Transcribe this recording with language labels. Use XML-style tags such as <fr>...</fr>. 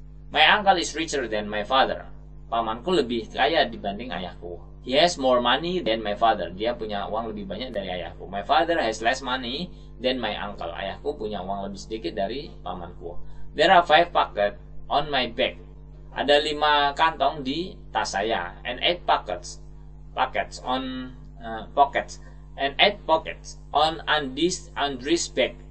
<en>My uncle is richer than my father.</en> <id>Pamanku lebih kaya dibanding ayahku.</id> <en>He has more money than my father.</en> <id>Dia punya uang lebih banyak dari ayahku.</id> <en>My father has less money than my uncle.</en> <id>Ayahku punya uang lebih sedikit dari pamanku.</id> <en>There are 5 pockets on my back.</en> <id>Ada 5 kantong di tas saya.</id> <en>And 8 pockets on Andri's back.</en>